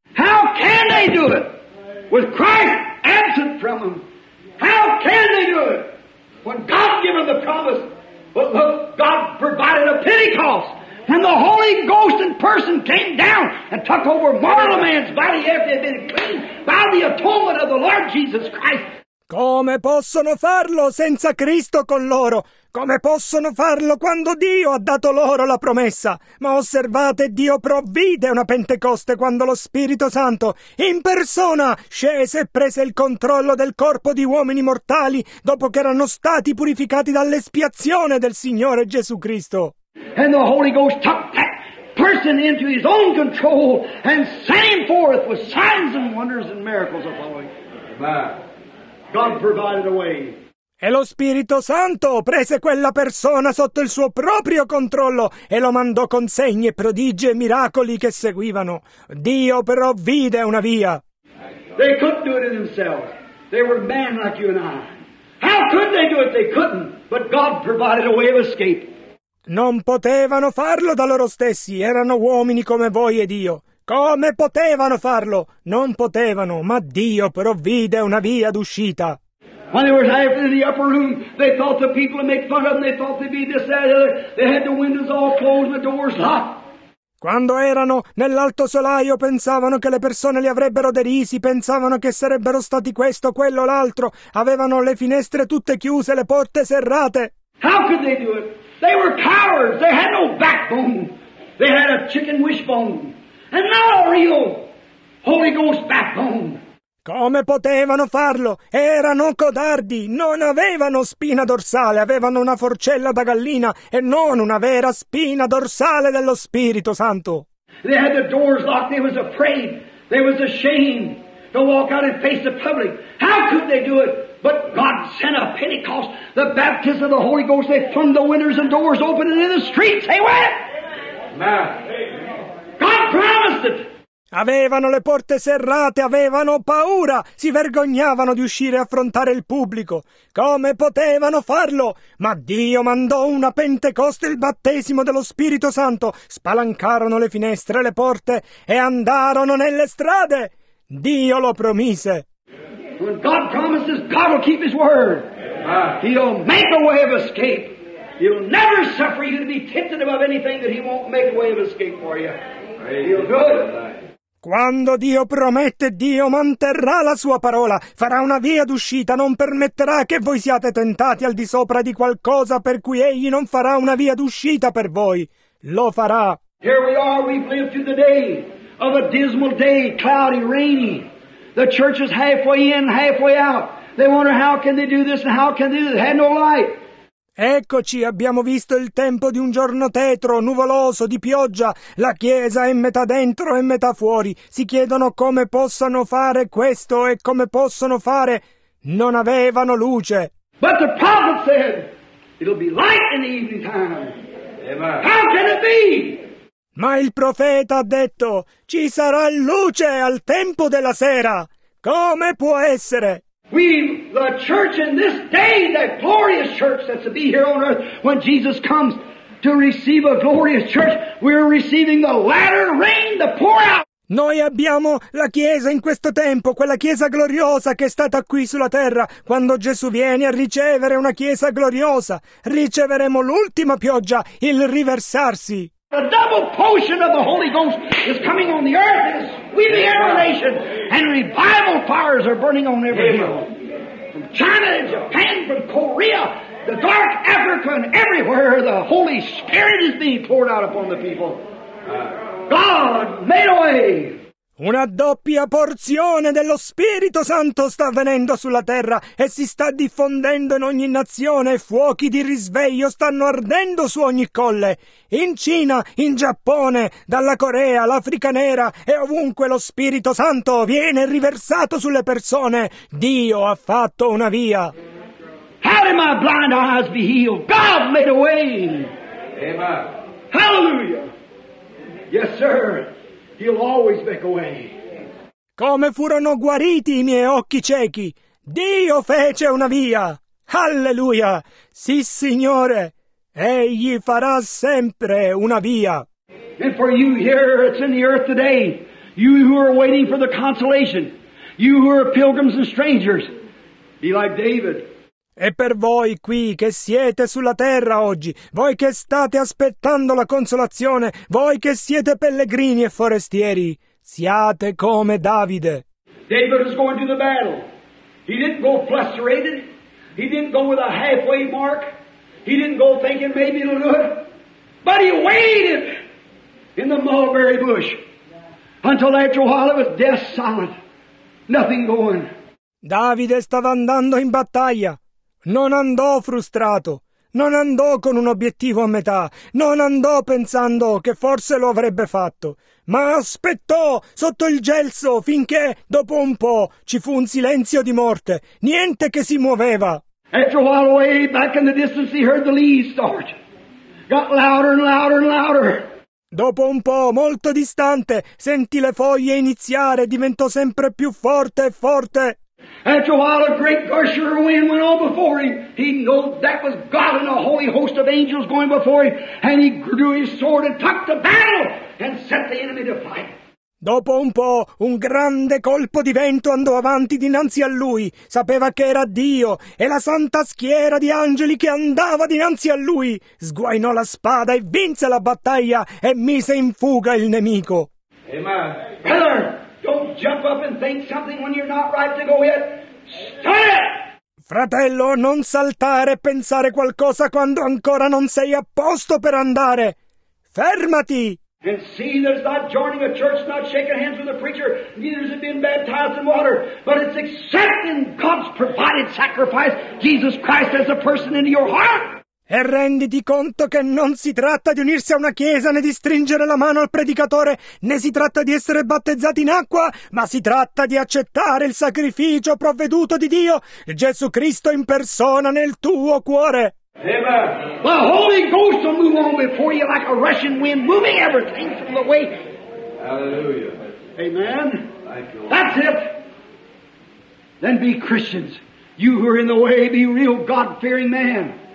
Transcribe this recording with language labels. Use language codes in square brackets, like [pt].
[en] How can they do it? With Christ absent from them. How can they do it? When God gave them the promise. But look, God provided a Pentecost. When the Holy Ghost in person came down and took over mortal man's body after they had been cleaned by the atonement of the Lord Jesus Christ. [it] Come possono farlo senza Cristo con loro? Come possono farlo quando Dio ha dato loro la promessa? Ma osservate, Dio provvide una Pentecoste quando lo Spirito Santo in persona scese e prese il controllo del corpo di uomini mortali dopo che erano stati purificati dall'espiazione del Signore Gesù Cristo. [en] And the Holy Ghost took that person into his own control and sent him forth with signs and wonders and miracles of following. God provided a way. [it] E lo Spirito Santo prese quella persona sotto il suo proprio controllo e lo mandò con segni, prodigi e miracoli che seguivano. Dio provvide una via. [en] They couldn't do it in themselves. They were men like you and I. How could they do it? They couldn't. But God provided a way of escape. [it] Non potevano farlo da loro stessi, erano uomini come voi ed io. Come potevano farlo? Non potevano, ma Dio provvide una via d'uscita. [en] When they were there in the upper room, they thought the people would make fun of them, they thought they'd be this, that, and the other. They had the windows all closed and the doors locked. [it] Quando erano nell'alto solaio, pensavano che le persone li avrebbero derisi, pensavano che sarebbero stati questo, quello, l'altro. Avevano le finestre tutte chiuse, le porte serrate. [en] How could they do it? They were cowards. They had no backbone. They had a chicken wishbone. And not a real Holy Ghost backbone. [it] Come potevano farlo? Erano codardi. Non avevano spina dorsale. Avevano una forcella da gallina e non una vera spina dorsale dello Spirito Santo. [en] They had the doors locked. They was afraid. They was ashamed to walk out and face the public. How could they do it? But God sent a Pentecost, the baptism of the Holy Ghost. They flung the windows and doors open, and in the streets they went. Amen. God promised it. [it] Avevano le porte serrate, avevano paura, si vergognavano di uscire e affrontare il pubblico. Come potevano farlo? Ma Dio mandò una Pentecoste, il battesimo dello Spirito Santo. Spalancarono le finestre, le porte e andarono nelle strade. Dio lo promise. [en] When God promises, God will keep His word. He'll make a way of escape. He'll never suffer you to be tempted above anything that He won't make a way of escape for you. He'll do it. [it] Quando Dio promette, Dio manterrà la sua parola, farà una via d'uscita, non permetterà che voi siate tentati al di sopra di qualcosa per cui Egli non farà una via d'uscita per voi. Lo farà. [en] Here we are, we've lived through the day of a dismal day, cloudy, rainy. The church is halfway in, halfway out. They wonder how can they do this and how can they do this. Had no light. [it] Eccoci, abbiamo visto il tempo di un giorno tetro, nuvoloso, di pioggia. La chiesa è metà dentro e metà fuori. Si chiedono come possano fare questo e come possono fare. Non avevano luce. [en] But the prophet said, it'll be light in the evening time. Amen. How can it be? [it] Ma il profeta ha detto, ci sarà luce al tempo della sera. Come può essere? [en] We, the church in this day, that glorious church that's to be here on earth when Jesus comes to receive a glorious church, we're receiving the latter rain, the pour out. [it] Noi abbiamo la Chiesa in questo tempo, quella Chiesa gloriosa che è stata qui sulla terra. Quando Gesù viene a ricevere una Chiesa gloriosa, riceveremo l'ultima pioggia, il riversarsi. [en] The double portion of the Holy Ghost is coming on the earth as we the ever nation, and revival fires are burning on every hill. From China to Japan, from Korea, the dark Africa, and everywhere the Holy Spirit is being poured out upon the people. God made a way! [it] Una doppia porzione dello Spirito Santo sta venendo sulla terra e si sta diffondendo in ogni nazione. Fuochi di risveglio stanno ardendo su ogni colle. In Cina, in Giappone, dalla Corea, l'Africa nera e ovunque lo Spirito Santo viene riversato sulle persone. Dio ha fatto una via. [en] How did my blind eyes be healed? God made a way. Amen. Hallelujah. Yes, sir. He'll always make a way. [it] Come furono guariti i miei occhi ciechi? Dio fece una via. Alleluia! Sì, Signore, Egli farà sempre una via. [en] And for you here, it's in the earth today. You who are waiting for the consolation. You who are pilgrims and strangers. Be like David. [it] E per voi qui che siete sulla terra oggi, voi che state aspettando la consolazione, voi che siete pellegrini e forestieri, siate come Davide. [en] David was going to the battle. He didn't go frustrated. He didn't go with a halfway mark. He didn't go thinking maybe it'll do it. But he waited in the mulberry bush until after a while it was death silent. Nothing going. [it] Davide stava andando in battaglia. Non andò frustrato, non andò con un obiettivo a metà, non andò pensando che forse lo avrebbe fatto, ma aspettò sotto il gelso finché, dopo un po', ci fu un silenzio di morte, niente che si muoveva. [en] After a while away, back in the distance, he heard the leaves start. Got louder and louder and louder. [it] Dopo un po', molto distante, sentì le foglie iniziare, diventò sempre più forte e forte. [en] After a while, a great gush of wind went on before him. He knew that was God and a holy host of angels going before him. And he drew his sword and took the battle and set the enemy to flight. [it] Dopo un po', un grande colpo di vento andò avanti dinanzi a lui. Sapeva che era Dio e la santa schiera di angeli che andava dinanzi a lui. Sguainò la spada e vinse la battaglia e mise in fuga il nemico. [en] Amen. Brother, don't jump up and think something when you're not right to go yet. Stand! [it] Fratello, non saltare e pensare qualcosa quando ancora non sei a posto per andare. Fermati! [en] And see, there's not joining a church, not shaking hands with a preacher, neither has it been baptized in water, but it's accepting God's provided sacrifice, Jesus Christ, as a person into your heart. [it] E renditi conto che non si tratta di unirsi a una chiesa né di stringere la mano al predicatore, né si tratta di essere battezzati in acqua, ma si tratta di accettare il sacrificio provveduto di Dio, Gesù Cristo in persona nel tuo cuore. [en] Amen. The Holy Ghost will move on before you like a rushing wind, moving everything from the way. Hallelujah. Amen. Thank you. That's it. Then be Christians. You who are in the way, be real God-fearing man.